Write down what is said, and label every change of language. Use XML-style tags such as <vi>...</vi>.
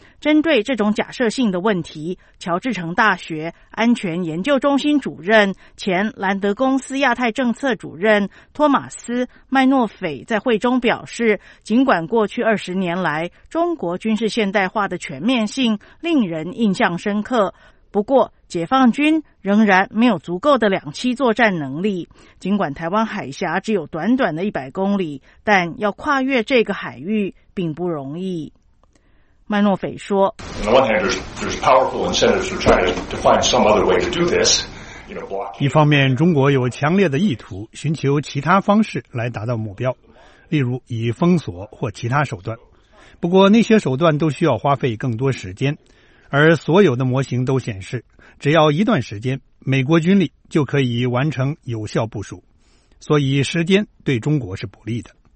<zh>针对这种假设性的问题，乔治城大学安全研究中心主任、前兰德公司亚太政策主任托马斯·麦诺斐在会中表示，尽管过去20年来，中国军事现代化的全面性令人印象深刻，不过解放军仍然没有足够的两栖作战能力，尽管台湾海峡只有短短的100公里，但要跨越这个海域并不容易。麦诺斐说，</zh> <en>On the one hand, there's powerful incentives for China to find some other way to do this. You know,</en> <zh>一方面，中国有强烈的意图寻求其他方式来达到目标，例如以封锁或其他手段，不过那些手段都需要花费更多时间，而所有的模型都显示，只要一段时间，美国军力就可以完成有效部署，所以时间对中国是不利的。</zh>